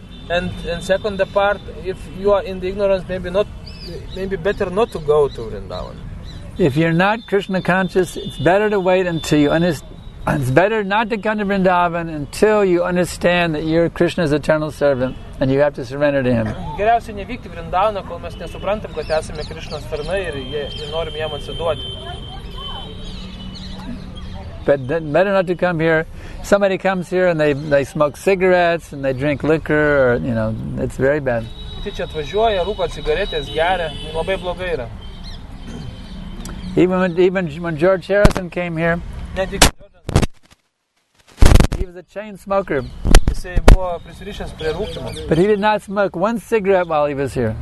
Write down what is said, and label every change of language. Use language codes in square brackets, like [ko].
[en] And second the part, if you are in the ignorance, maybe better not to go to Vrindavan. If you're not Krishna conscious, it's better to wait until you understand. It's better not to come to Vrindavan until you understand that you're Krishna's eternal servant and you have to surrender to him. [lt] Geriausia nevykti Vrindavaną, kol mes nesuprantam, kad esame Krishnos tarnai ir norim jam atsiduoti. [en] But then better not to come here. Somebody comes here and they smoke cigarettes and they drink liquor or, you know, it's very bad. [lt] Kiti čia atvažiuoja, rūko cigaretės, geria, labai blogai yra. [en] Even when George Harrison came here, [lt] netgi... [en] was a chain smoker. [lt] Jis buvo prisirišęs prie rūkymo. [en] But he did not smoke one cigarette while he was here.